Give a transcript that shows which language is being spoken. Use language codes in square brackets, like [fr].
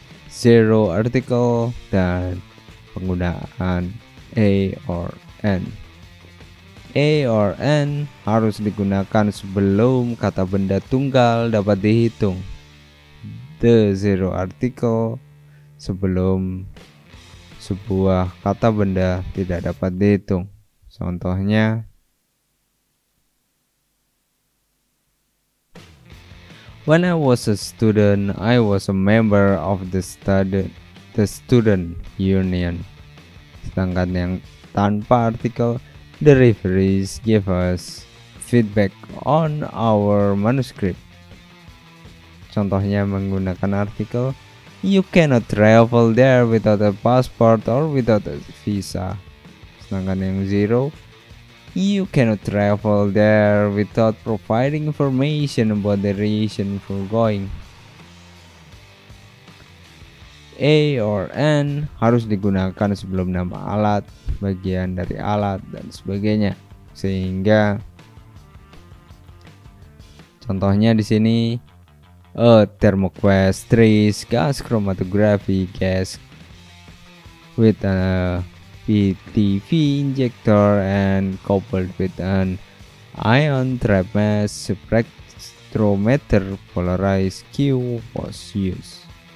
[id] Zero article dan penggunaan A or N. A or N harus digunakan sebelum kata benda tunggal dapat dihitung. The zero article sebelum sebuah kata benda tidak dapat dihitung. [en] Contohnya, when I was a student, I was a member of the student union. [id] Sedangkan yang tanpa artikel, [en] The referees give us feedback on our manuscript. [id] Contohnya menggunakan artikel, [en] you cannot travel there without a passport or without a visa. [id] Sedangkan yang zero, [en] you cannot travel there without providing information about the reason for going. [id] A or N harus digunakan sebelum nama alat, bagian dari alat, dan sebagainya. Sehingga contohnya di sini, [en] a thermoquest trace gas chromatography gas with a PTV injector and coupled with an ion trap mass spectrometer polarized Q was used.